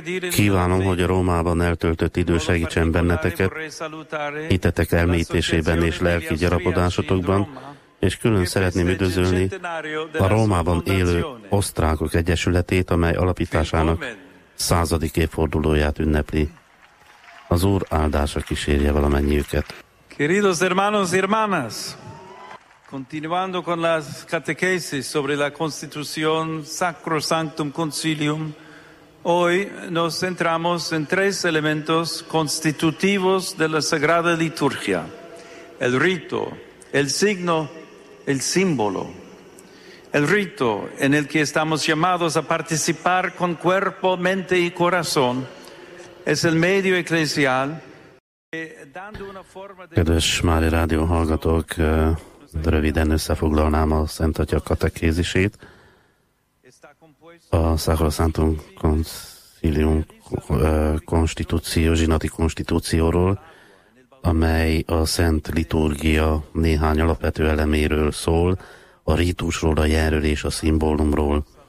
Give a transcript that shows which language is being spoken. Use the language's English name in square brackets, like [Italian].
[Hungarian] Kívánom, hogy a Rómában eltöltött idő segítsen benneteket, hitetek elmélyítésében és lelki gyarapodásotokban, és külön szeretném üdvözölni a Rómában élő Osztrákok Egyesületét, amely alapításának 100. évfordulóját ünnepli. Az Úr áldása kísérje valamennyiüket. [Spanish] Queridos hermanos y hermanas, continuando con las catequesis sobre la Constitución Sacro Sanctum Concilium, hoy nos centramos en tres elementos constitutivos de la Sagrada Liturgia: el rito, el signo, el símbolo. El rito, en el que estamos llamados a participar con cuerpo, mente y corazón, es el medio eclesial. [Hungarian] Kedves Mári Rádió hallgatók, röviden összefoglalnám a Szent Atya katekézisét. A Sacro Sanctum Concilium konstitúció, zsinati konstitúcióról, amely a Szent Liturgia néhány alapvető eleméről szól, a rítusról, a jelről és a szimbólumról.